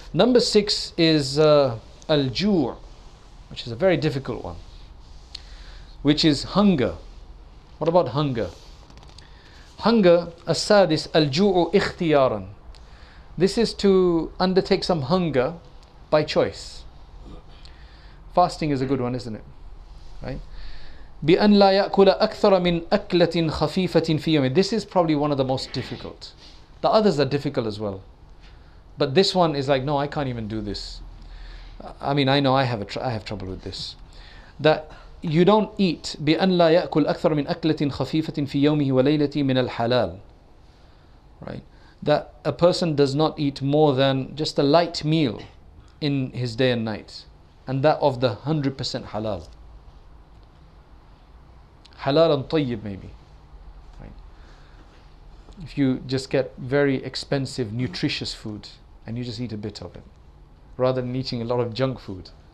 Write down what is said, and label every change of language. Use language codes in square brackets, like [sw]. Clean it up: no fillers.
[en] Number six is al-ju', which is a very difficult one, which is hunger. What about hunger? Hunger, [ar] as-sadis, al-ju'u ikhtiyaran. [en] This is to undertake some hunger by choice. Fasting is a good one, isn't it? Right? [ar] بأن لا يأكل أكثر من أكلة خفيفة في يومه. [en] This is probably one of the most difficult. The others are difficult as well. But this one is like, no, I can't even do this. I mean, I know I have trouble with this. That you don't eat. [ar] بأن لا يأكل أكثر من أكلة خفيفة في يومه وليلته من الحلال. [en] Right? That a person does not eat more than just a light meal in his day and night. and that of the 100% halal. Halal and tayyib maybe. If you just get very expensive, nutritious food and you just eat a bit of it, rather than eating a lot of junk food.